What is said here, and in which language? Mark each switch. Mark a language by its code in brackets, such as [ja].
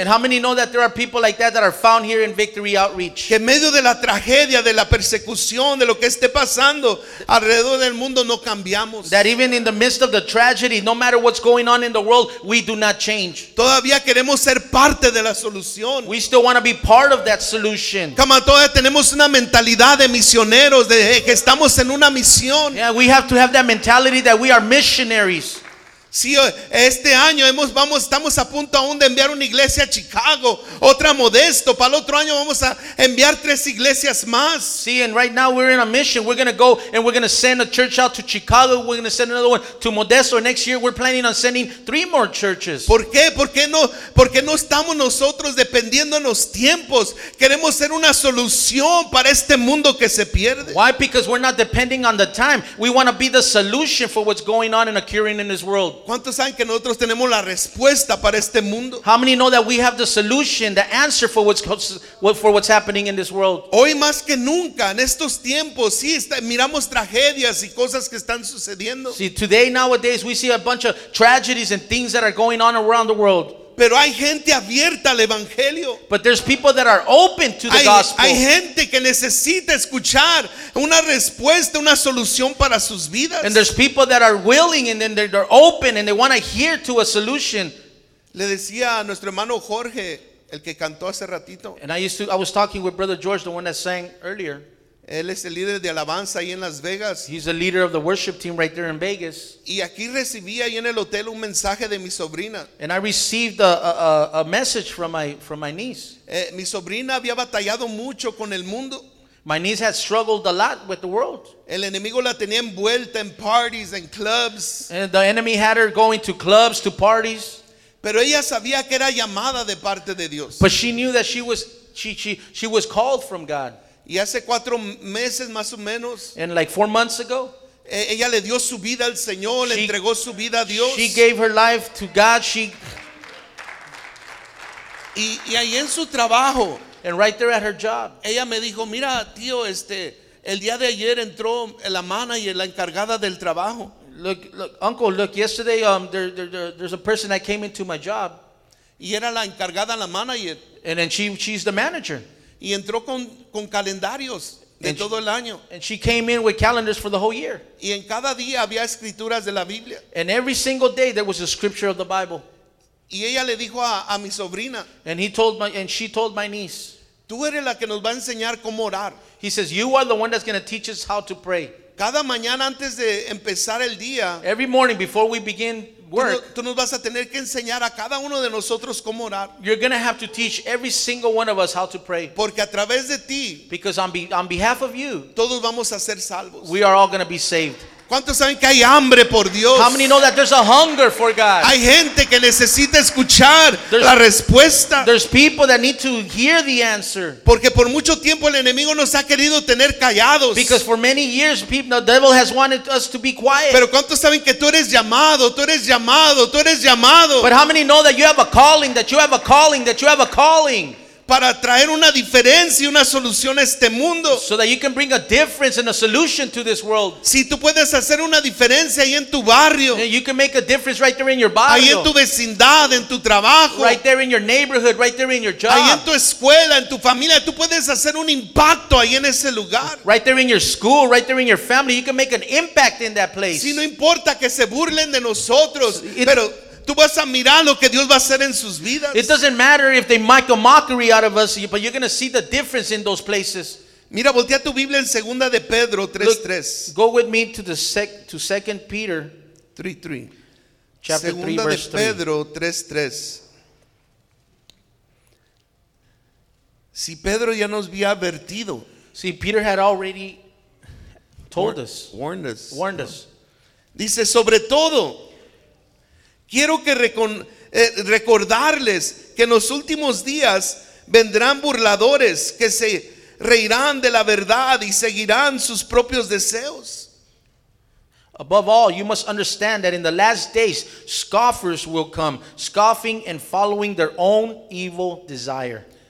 [en] And how many know that there are people like that are found here in Victory Outreach? [es] Que en medio de la tragedia, de la persecución, de lo que esté pasando alrededor del mundo, no cambiamos. [en] That even in the midst of the tragedy, no matter what's going on in the world, we do not change. [es] Todavía queremos ser parte de la solución. [en] We still want to be part of that solution. [es] Como todavía tenemos una mentalidad de misioneros, de que estamos en una misión. [en] Yeah, we have to have that mentality that we are missionaries. [es] Sí, este año estamos a punto aún de enviar una iglesia a Chicago, otra Modesto. Para el otro año vamos a enviar tres iglesias más. [en] Sí, and right now we're in a mission. We're going to go and we're going to send a church out to Chicago. We're going to send another one to Modesto. Next year we're planning on sending three more churches. [es] ¿Por qué? ¿Por qué no estamos nosotros dependiendo en los tiempos? Queremos ser una solución para este mundo que se pierde. [en] Why? Because we're not depending on the time. We want to be the solution for what's going on and occurring in this world. [es] ¿Cuántos saben que nosotros tenemos la respuesta para este mundo? [en] How many know that we have the solution, the answer for what's happening in this world? [es] Hoy más que nunca, en estos tiempos, sí, miramos tragedias y cosas que están sucediendo. [en] See, today, nowadays, we see a bunch of tragedies and things that are going on around the world. [es] Pero hay gente abierta al evangelio. [en] But there's people that are open to the gospel. [es] Hay gente que necesita escuchar una respuesta, una solución para sus vidas. [en] And there's people that are willing and then they're open and they want to hear to a solution. [es] Le decía a nuestro hermano Jorge, el que cantó hace ratito. [en] And I was talking with Brother George, the one that sang earlier. [es] Él es el líder de alabanza ahí en Las Vegas. [en] He's the leader of the worship team right there in Vegas. [es] Y aquí recibí ahí en el hotel un mensaje de mi sobrina. [en] And I received a message from my niece. [es] Mi sobrina había batallado mucho con el mundo. [en] My niece had struggled a lot with the world. [es] El enemigo la tenía envuelta en [en] parties and clubs. And the enemy had her going to clubs, to parties. [es] Pero ella sabía que era llamada de parte de Dios. [en] But she knew that she was called from God. [es] Y hace cuatro meses más o menos, [en] and like 4 months ago, [es] ella le dio su vida al Señor, le entregó su vida a Dios. [en] She gave her life to God. She [es] y ahí en su trabajo, [en] And right there at her job. [es] Ella me dijo, mira, tío, el día de ayer entró la manager, la encargada del trabajo. [en] Look, uncle, yesterday there's a person that came into my job. [es] Y era la encargada, la manager. [en] And then she's the manager. [es] Y entró con calendarios de todo el año. [en] And she came in with calendars for the whole year. [es] Y en cada día había escrituras de la Biblia. [en] And every single day there was a scripture of the Bible. [es] Y ella le dijo a mi sobrina. [en] And she told my niece. [es] Tú eres la que nos va a enseñar cómo orar. [en] He says, you are the one that's going to teach us how to pray. [es] Cada mañana antes de empezar el día. [en] Every morning before we begin work. [es] Tú nos vas a tener que enseñar a cada uno de nosotros cómo orar. [en] You're going to have to teach every single one of us how to pray. [es] Porque a través de ti. [en] Because on behalf of you. [es] Todos vamos a ser salvos. [en] We are all going to be saved. [es] ¿Cuántos saben que hay hambre por Dios? [en] How many know that there's a hunger for God? [es] Hay gente que necesita escuchar la respuesta. [en] There's people that need to hear the answer. [es] Porque por mucho tiempo el enemigo nos ha querido tener callados. [en] Because for many years the devil has wanted us to be quiet. [es] Pero ¿cuántos saben que tú eres llamado? Tú eres llamado. Tú eres llamado. [en] But how many know that you have a calling? That you have a calling? That you have a calling? [es] Para traer una diferencia y una solución a este mundo. [en] So that you can bring a difference and a solution to this world. [es] Si tú puedes hacer una diferencia ahí en tu barrio. [en] You can make a difference right there in your barrio. [es] Ahí en tu vecindad, en tu trabajo. [en] Right there in your neighborhood, right there in your job. [es] Ahí en tu escuela, en tu familia, tú puedes hacer un impacto ahí en ese lugar. [en] Right there in your school, right there in your family, you can make an impact in that place. [es] Si no importa que se burlen de nosotros, pero tú vas a mirar lo que Dios va a hacer en sus vidas. [en] It doesn't matter if they make a mockery out of us, but you're going to see the difference in those places. [es] Mira, voltea tu Biblia en Segunda de Pedro 3:3. [en] Go with me to to 2 Peter 3:3. Chapter [es] Segunda [en] 3, verse [es] de Pedro 3:3. Si Pedro ya nos había advertido. [en] See, Peter had already told us. Warned us. [es] Dice, sobre todo, quiero que recordarles que en los últimos días vendrán burladores que se reirán de la verdad y seguirán sus propios deseos. [en] Above all, you must understand that in the last days, scoffers will come, scoffing and following their own evil desire.